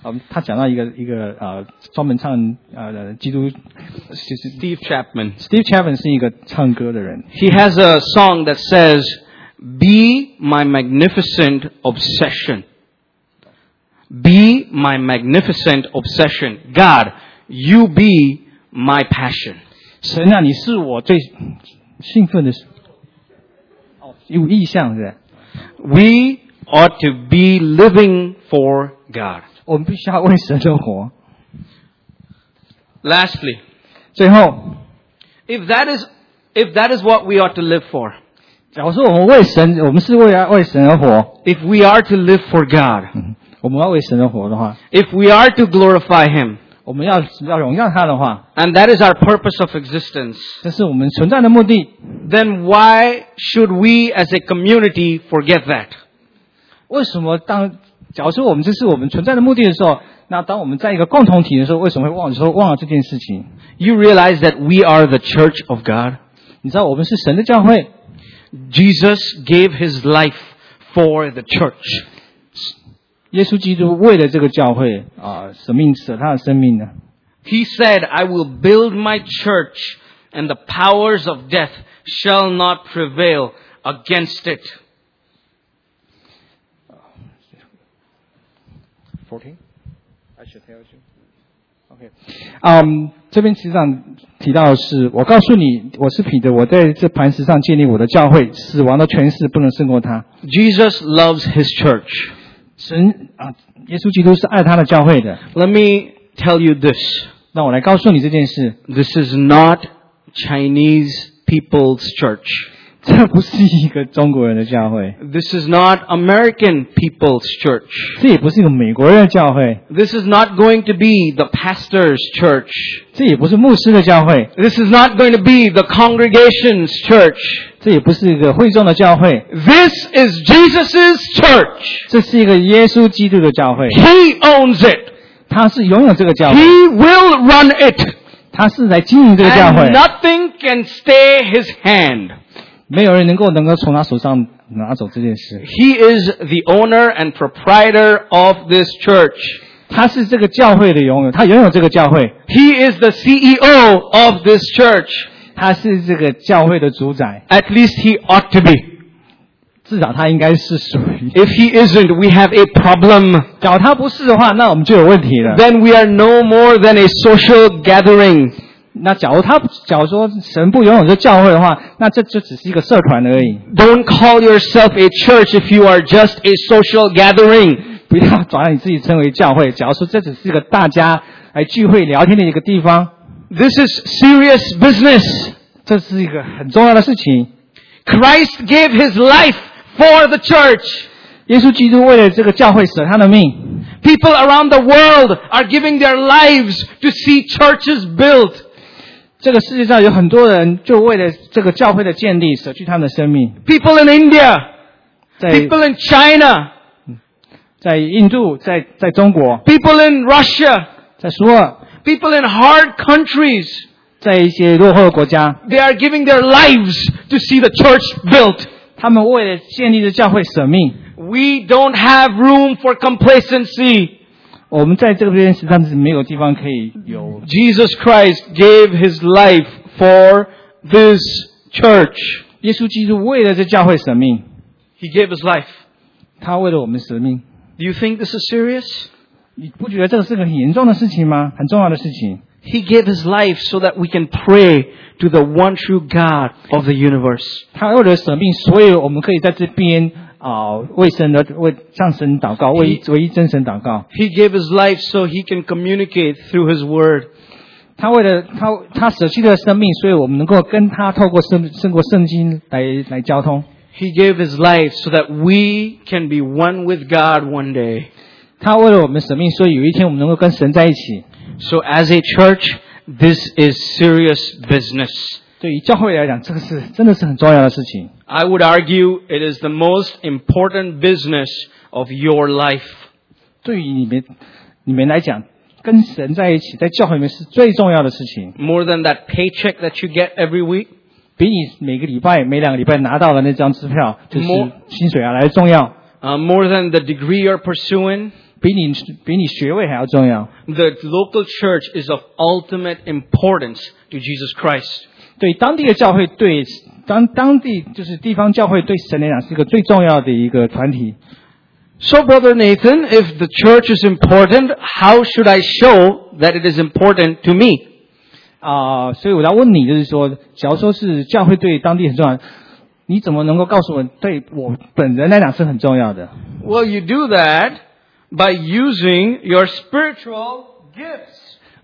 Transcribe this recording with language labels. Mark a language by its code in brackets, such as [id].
[zh] 他讲到一个专门唱基督，就是 Steve Chapman. Steve Chapman 是一个唱歌的人。 [en] He has a song that says, "Be my magnificent obsession." Be my magnificent obsession. God, you be my passion. [zh] 神啊，你是我最兴奋的事。有意向是吧？ [en] We ought to be living for God. [zh] 我们必须要为神生活。 [en] Lastly, [zh] 最后 [en] if that is what we ought to live for, [zh] 假如说我们为神，我们是为神而活。 [en] If we are to live for God, [zh] 我们要为神而活的话。 [en] If we are to glorify Him, [zh] 我们要荣耀他的话。 [en] And that is our purpose of existence, [zh] 这是我们存在的目的。 [en] Then why should we as a community forget that? [zh] 为什么当假如说我们这是我们存在的目的的时候？那当我们在一个共同体的时候，为什么会忘了这件事情？ [en] You realize that we are the church of God. [zh] 你知道我们是神的教会。 [en] Jesus gave his life for the church. [zh] 耶稣基督为了这个教会舍命舍他的生命呢。 [en] He said, "I will build my church, and the powers of death shall not prevail against it. 14? I should tell you. Okay. [zh] 这边实际上提到的是，我告诉你，我是彼得，我在这磐石上建立我的教会，死亡的权势不能胜过他。 [en] Jesus loves his church. [zh] 神啊，耶稣基督是爱他的教会的。 [en] Let me tell you this. [zh] 让我来告诉你这件事。 [en] This is not Chinese people's church. [zh] 这不是一个中国人的教会。 [en] This is not American people's church. [zh] 这也不是一个美国人的教会。 [en] This is not going to be the pastor's church. [zh] 这也不是牧师的教会。 [en] This is not going to be the congregation's church. [zh] 这也不是一个会众的教会。 [en] This is Jesus's church. [zh] 这是一个耶稣基督的教会。 [en] He owns it. [zh] 他是拥有这个教会。 [en] He will run it. [zh] 他是来经营这个教会。 [en] And nothing can stay his hand. [zh] 没有人能够从他手上拿走这件事。 [en] He is the owner and proprietor of this church. [zh] 他是这个教会的拥有，他拥有这个教会。 [en] He is the CEO of this church. [zh] 他是这个教会的主宰。 [en] At least he ought to be. [zh] 至少他应该是属于。 [en] If he isn't, we have a problem. [zh] 假如他不是的话，那我们就有问题了。 [en] Then we are no more than a social gathering. [zh] 那假如说神不拥有这教会的话，那这就只是一个社团而已。 [en] Don't call yourself a church if you are just a social gathering. [zh] 不要把你自己称为教会，假如说这只是一个大家来聚会聊天的一个地方。 [en] This is serious business. [zh] 这是一个很重要的事情。 [en] Christ gave his life for the church. [zh] 耶稣基督为了这个教会舍他的命。 [en] People around the world are giving their lives to see churches built. [zh] 这个世界上有很多人就为了这个教会的建立舍去他们的生命。 [en] People in India, people in China, [zh] 在印度，在中国。 [en] People in Russia, [zh] 在苏俄。 [en] People in hard countries, [zh] 在一些落后的国家。 [en] They are giving their lives to see the church built. [zh] 他们为了建立这教会舍命。 [en] We don't have room for complacency. [zh] 我们在这边实际上是没有地方可以有。 [en] Jesus Christ gave his life for this church. [zh] 耶稣基督为了这教会舍命。 [en] He gave his life. [zh] 他为了我们舍命。 [en] Do you think this is serious? [zh] 你不觉得这个是个很严重的事情吗？很重要的事情。 [en] He gave his life so that we can pray to the one true God of the universe. [zh] 他为了舍命，所以我们可以在这边为神的为上神祷告，为唯一真神祷告。 [en] He gave his life so he can communicate through his word. [zh] 他为了他舍弃了生命，所以我们能够跟他透过圣经来交通。 [en] He gave his life so that we can be one with God one day. [zh] 他为了我们舍命，所以有一天我们能够跟神在一起。 [en] So as a church, this is serious business. [zh] 对于教会来讲，这个是真的是很重要的事情。 [en] I would argue it is the most important business of your life. [zh] 对于你们来讲，跟神在一起，在教会里面是最重要的事情。 [en] More than that paycheck that you get every week. [zh] 比你每个礼拜、每两个礼拜拿到的那张支票，就是薪水啊，来重要。 [en] More than the degree you're pursuing. [zh] 比你学位还要重要。 [en] The local church is of ultimate importance to Jesus Christ. [zh] 对当地的教会，对当地就是地方教会，对神来讲是一个最重要的一个团体。 [en] So, Brother Nathan, if the church is important, how should I show that it is important to me? [zh] 所以我要问你，就是说，假如说是教会对当地很重要，你怎么能够告诉我对我本人来讲是很重要的 [en] ？Well, you do that by using your spiritual gifts.